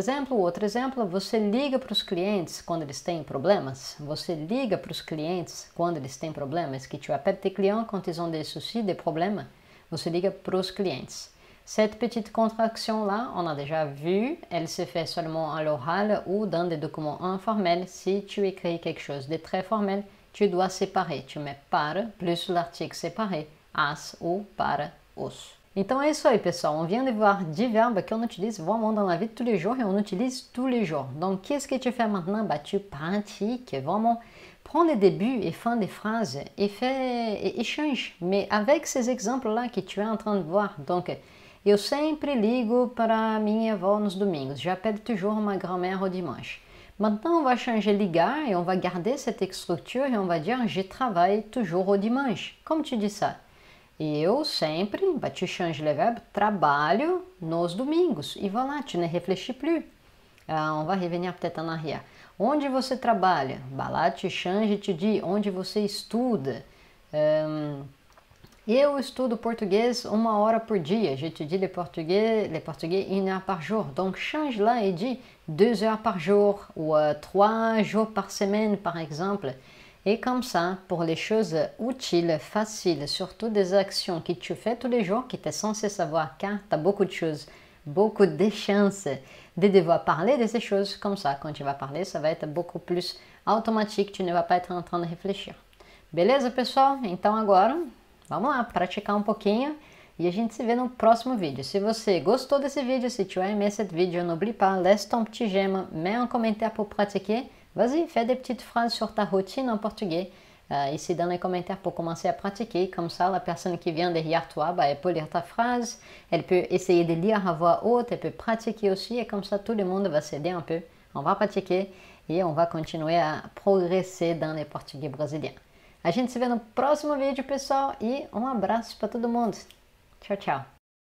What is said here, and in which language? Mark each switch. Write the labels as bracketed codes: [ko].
[pt] Outro exemplo, você liga para os clientes quando eles têm problemas? Você liga para os clientes quando eles têm problemas? [fr] Que tu appelles tes clients quand ils ont des soucis, des problèmes? [pt] Você liga para os clientes. [fr] Cette petite contraction-là, on a déjà vu, elle se fait seulement à l'oral ou dans des documents informels. Si tu écris quelque chose de très formel, tu dois séparer. Tu mets para plus l'article séparé, as ou para os. [pt] Então é isso aí, pessoal. [fr] On vient de voir 10 verbes qu'on utilise vraiment dans la vie de tous les jours et on utilise tous les jours. Donc, qu'est-ce que tu fais maintenant? Bah, tu pratiques vraiment. Prends les débuts et fins des phrases et fais et échange, mais avec ces exemples-là que tu es en train de voir. [pt] Donc, eu sempre ligo para minha avó nos domingos. [fr] J'appelle toujours ma grand-mère au dimanche. Maintenant, on va changer ligar et on va garder cette structure et on va dire je travaille toujours au dimanche. Comme tu dis ça? [pt] Eu sempre, bah, [fr] tu changes le verbe, [pt] trabalho nos domingos. [fr] E voilà, tu ne réfléchis plus. On va revenir peut-être en arrière. [pt] Onde você trabalha? [fr] Bah, là, tu changes et tu dis [pt] onde você estuda. Eu estudo português uma hora por dia. [fr] Je étudie le portugais une heure par jour. Donc, change là et dis 2 heures par jour ou 3 jours par semaine, par exemple. Et comme ça, pour les choses utiles, faciles, surtout des actions que tu fais tous les jours, que tu es censé savoir, car tu as beaucoup de choses, beaucoup de chances de devoir parler de ces choses. Comme ça, quand tu vas parler, ça va être beaucoup plus automatique, tu ne vas pas être en train de réfléchir. [pt] Beleza, pessoal? Então, agora. Vamos lá, praticar um pouquinho e a gente se vê no próximo vídeo. Se você gostou desse vídeo, [fr] se tu aimes esse vídeo, n'oublie pas, laisse ton petit j'aime, mets un commentaire pour pratiquer. Vas-y, fais des petites phrases sur ta routine en portugais, ici dans les commentaires pour commencer à pratiquer. Comme ça, la personne qui vient derrière toi, bah, elle peut lire ta phrase, elle peut essayer de lire à voix haute, elle peut pratiquer aussi, et comme ça, tout le monde va s'aider un peu. On va pratiquer et on va continuer à progresser dans les portugais brésiliens. [pt] A gente se vê no próximo vídeo, pessoal, e um abraço para todo mundo. Tchau, tchau.